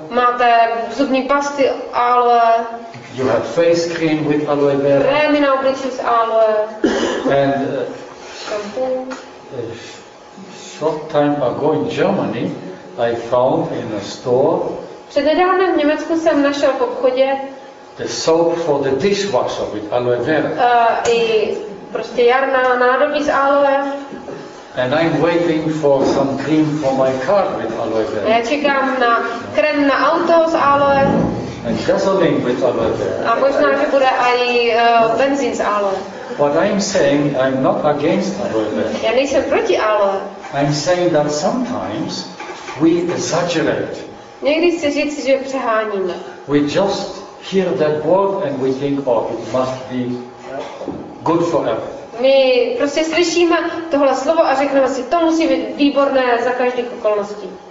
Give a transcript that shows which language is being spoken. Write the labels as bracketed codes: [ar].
[cs] Máte zubní pasty aloe. [en] You have face cream with aloe vera. [cs] Krémy na obličeji s aloe. [en] And shampoo. Short time ago in Germany, I found in a store. [cs] Přednedávno v Německu jsem našel v obchodě. [en] The soap for the dishwasher with aloe vera. [cs] Prostě jarná nádobí s aloe. [en] And I'm waiting for some cream for my car with aloe vera. [cs] A já čekám na krém na auto s aloe. [en] And gasoline with aloe vera. [cs] A možná, že bude aj benzín s aloe. [en] But I'm saying I'm not against aloe vera. [cs] Já nejsem proti aloe. [en] I'm saying that sometimes we exaggerate. [cs] Někdy chci říct, že přeháníme. [en] We just hear that word and we think, oh, it must be good for health. [cs] My prostě slyšíme tohle slovo a řekneme si, to musí být výborné za každých okolností.